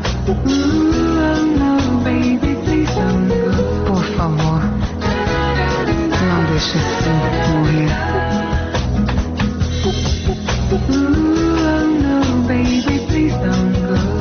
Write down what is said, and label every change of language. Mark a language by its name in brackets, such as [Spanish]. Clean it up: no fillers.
[English] ooh, oh no, baby, please don't go. [Portuguese] Por favor, não deixe se morrer. [English] Ooh, oh no, baby, please don't go.